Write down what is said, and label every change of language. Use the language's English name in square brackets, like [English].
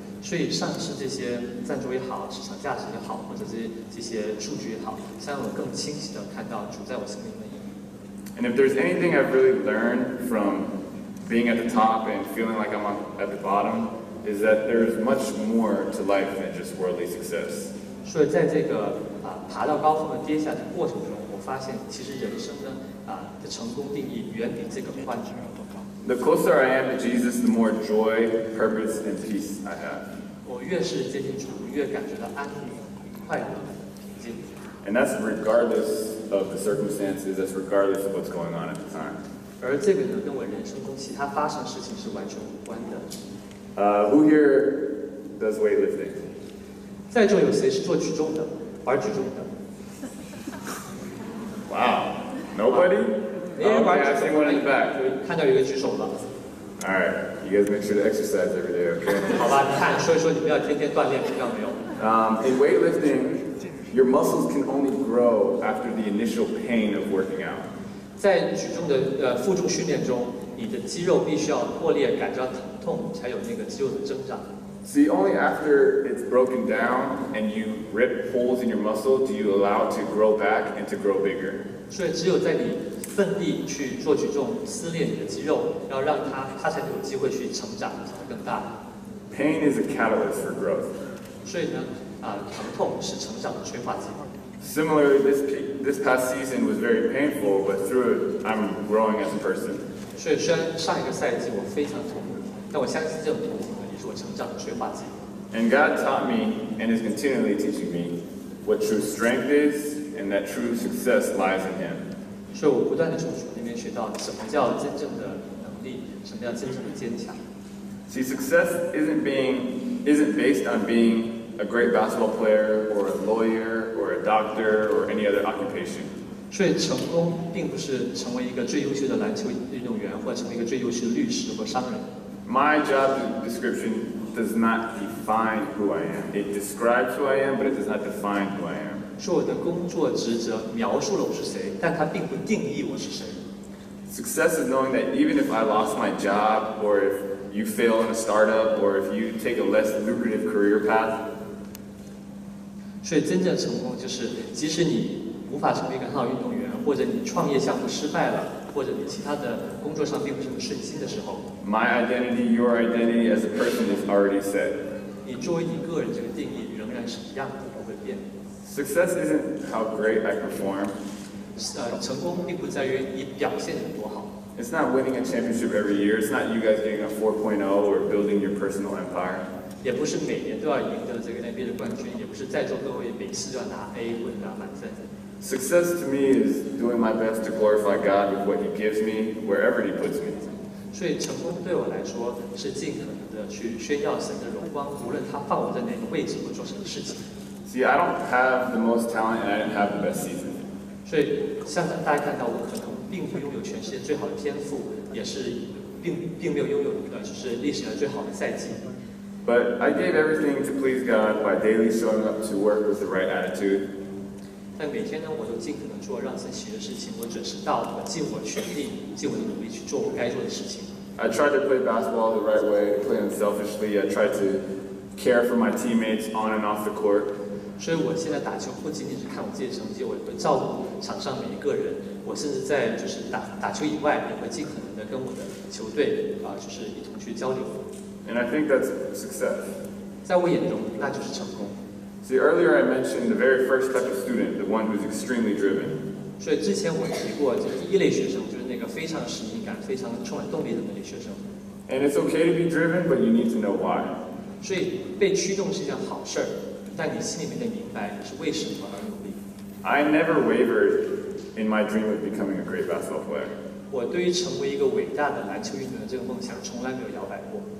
[Chinese] 所以上次这些赞助也好，市场价值也好，或者这些数据也好，让我更清晰地看到主在我生命的意义。 [English] And if there's anything I've really learned from being at the top and feeling like I'm at the bottom, is that there's much more to life than just worldly success. [Chinese] 所以在这个爬到高峰和跌下的过程中，发现其实人生呢的成功定义远比这个幻觉要多高。 [English] The closer I am to Jesus, the more joy, purpose, and peace I have. [Chinese] 我越是接近主，越感觉到安宁、快乐、平静。 [English] And that's regardless of the circumstances. That's regardless of what's going on at the time. [Chinese] 而这个呢，跟我人生中其他发生事情是完全无关的。 [English] Who here does weightlifting? [Chinese] 在座有谁是做举重的，玩举重的？ [English] Wow, nobody? Okay, I see one in the back. [Chinese] 看到有一个举手了。 [English] All right, you guys make sure to exercise every day, okay? [Chinese] 好吧，你看，所以说你们要天天锻炼，听到没有？ [English] In weightlifting, your muscles can only grow after the initial pain of working out. [Chinese] 在举重的负重训练中，你的肌肉必须要破裂，感觉到疼痛，才有那个肌肉的增长。 [English] See, only after it's broken down and you rip holes in your muscle do you allow it to grow back and to grow bigger. [Chinese] 所以只有在你奋力去做举重，撕裂你的肌肉，然后让它才有机会去成长，长得更大。 [English] Pain is a catalyst for growth. [Chinese] 所以呢，疼痛是成长的催化剂。 [English] Similarly, this past season was very painful, but through it, I'm growing as a person. [Chinese] 所以虽然上一个赛季我非常痛苦，但我相信这种痛苦。我成长的催化剂。 [English] And God taught me and is continually teaching me what true strength is and that true success lies in Him. [Chinese] 所以我不断地从主那边学到什么叫真正的能力，什么叫真正的坚强。 [English] See, success isn't based on being a great basketball player or a lawyer or a doctor or any other occupation. [Chinese] 所以成功并不是成为一个最优秀的篮球运动员，或者成为一个最优秀的律师或商人。 [English] My job description does not define who I am. It describes who I am, but it does not define who I am. [Chinese] 是我的工作职责描述了我是谁，但它并不定义我是谁。 [English] Success is knowing that even if I lost my job, or if you fail in a startup, or if you take a less lucrative career path. [Chinese] 所以真正成功就是，即使你无法成为一个很好运动员，或者你创业项目失败了，或者你其他的工作上并不是很顺心的时候。 [English] My identity, your identity as a person is already set. [Chinese] 你作为你个人这个定义仍然是一样的，不会变。 [English] Success isn't how great I perform. [Chinese] 成功并不在于你表现得多好。 [English] It's not winning a championship every year. It's not you guys getting a 4.0 or building your personal empire. [Chinese] 也不是每年都要赢得这个 NBA 的冠军，也不是在座各位每次都要拿 A 或者拿满分。 [English] Success to me is doing my best to glorify God with what He gives me, wherever He puts me. [Chinese] 所以成功对我来说是尽可能的去宣耀神的荣光，无论他放我在哪个位置或做什么事情。 [English] See, I don't have the most talent, and I didn't have the best season. [Chinese] 所以像大家看到，我可能并不拥有全世界最好的天赋，也是并没有拥有就是历史上最好的赛季。 [English] But I gave everything to please God by daily showing up to work with the right attitude. [Chinese] 但每天呢，我都尽可能做让自己喜悦的事情。我准时到，我尽我全力，尽我的努力去做我该做的事情。 [English] I tried to play basketball the right way, play unselfishly. I tried to care for my teammates on and off the court. [Chinese] 所以我现在打球不仅仅是看我自己的成绩，我也会照顾场上每一个人。我甚至在就是打球以外，也会尽可能的跟我的球队就是一同去交流。 [English] And I think that's success. [Chinese] 在我眼中，那就是成功。 [English] See, earlier I mentioned the very first type of student, the one who's extremely driven. [Chinese] 所以之前我提过，就是第一类学生，就是那个非常使命感、非常充满动力的那类学生。 [English] And it's okay to be driven, but you need to know why. [Chinese] 所以被驱动是一件好事，但你心里面得明白是为什么而努力。 [English] I never wavered in my dream of becoming a great basketball player. [Chinese] 我对于成为一个伟大的篮球运动员这个梦想从来没有摇摆过。